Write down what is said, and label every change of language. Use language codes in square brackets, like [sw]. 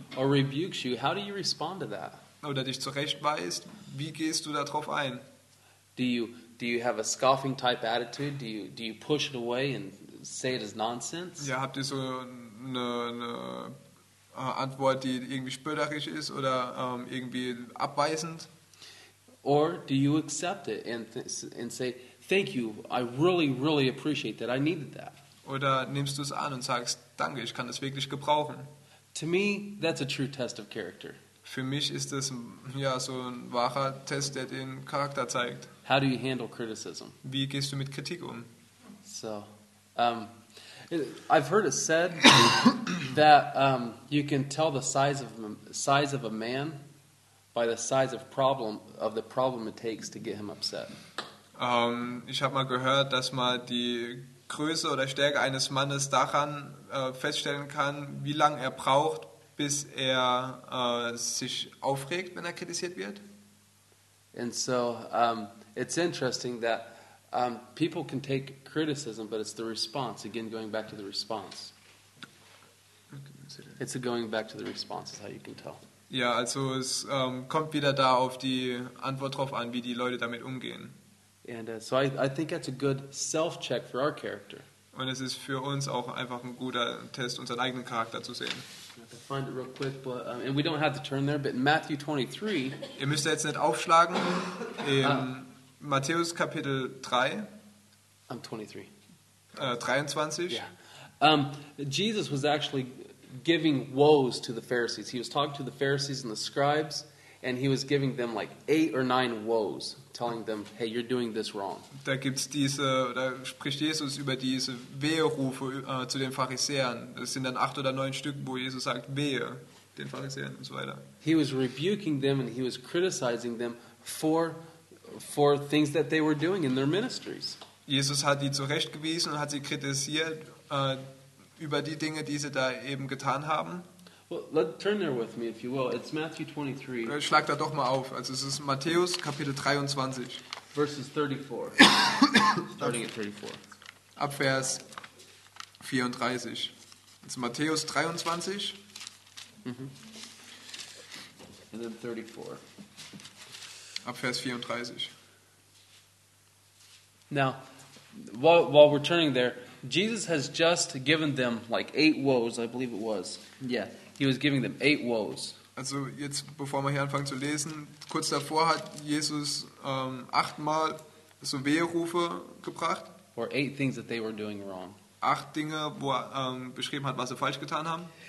[en] or rebukes you, how do you respond to that? [de] Oder dich zurechtweist, wie gehst du darauf ein? [en] Do you have a scoffing type attitude? Do you push it away and say it as nonsense? [de] Ja, habt ihr so eine Antwort, die irgendwie spötterisch ist oder irgendwie abweisend? [en] Or do you accept it and say, thank you, I really, really appreciate that, I needed that. [de] Oder nimmst du es an und sagst, danke, ich kann das wirklich gebrauchen. [en] To me, that's a true test of character. [de] Für mich ist es ja so ein wahrer Test, der den Charakter zeigt. [en] How do you handle criticism? [de] Wie gehst du mit Kritik um? [en] So, I've heard it said that you can tell the size of a man by the size of the problem it takes to get him upset. [de] Ich habe mal gehört, dass man die Größe oder Stärke eines Mannes daran feststellen kann, wie lange er braucht, bis er sich aufregt, wenn er kritisiert wird. [en] And so it's interesting that people can take criticism, but it's the response. Again, going back to the response. It's a going back to the response is how you can tell. [de] Ja, also es kommt wieder da auf die Antwort drauf an, wie die Leute damit umgehen. [en] And so I think that's a good self-check for our character. [de] Und es ist für uns auch einfach ein guter Test, unseren eigenen Charakter zu sehen. [en] I'll find it real quick, but and we don't have to turn there, but in Matthew 23. [de] Ihr müsst jetzt nicht aufschlagen. In Matthäus Kapitel 3. [en] I'm 23. 23. Yeah. Jesus was actually giving woes to the Pharisees. He was talking to the Pharisees and the scribes. And he was giving them like 8 or 9 woes, telling them, hey, you're doing this wrong. [de] Da gibt's diese, da spricht Jesus über diese Weherufe zu den Pharisäern. Das sind dann 8 oder 9 Stück, wo Jesus sagt, wehe den Pharisäern und so weiter. [en] He was rebuking them and he was criticizing them for things that they were doing in their ministries. [de] Jesus hat die zurechtgewiesen und hat sie kritisiert über die Dinge, die sie da eben getan haben. [en] Well, let's turn there with me, if you will. It's Matthew 23. [de] Schlag da doch mal auf. Also es ist Matthäus Kapitel 23. [en] Verses 34. Starting at 34. [de] Ab Vers 34. [en] It's [de] Matthäus 23. [en] Mm-hmm. And then 34. [de] Ab Vers 34. [en] Now, while we're turning there, Jesus has just given them like 8 woes, I believe it was. Yeah. He was giving them 8 woes. [de] Also jetzt, bevor wir hier anfangen zu lesen, kurz davor hat Jesus 8-mal so Weherufe gebracht. [en] Or 8 things that they were doing wrong. [de] 8 Dinge, wo er beschrieben hat, was sie falsch getan haben.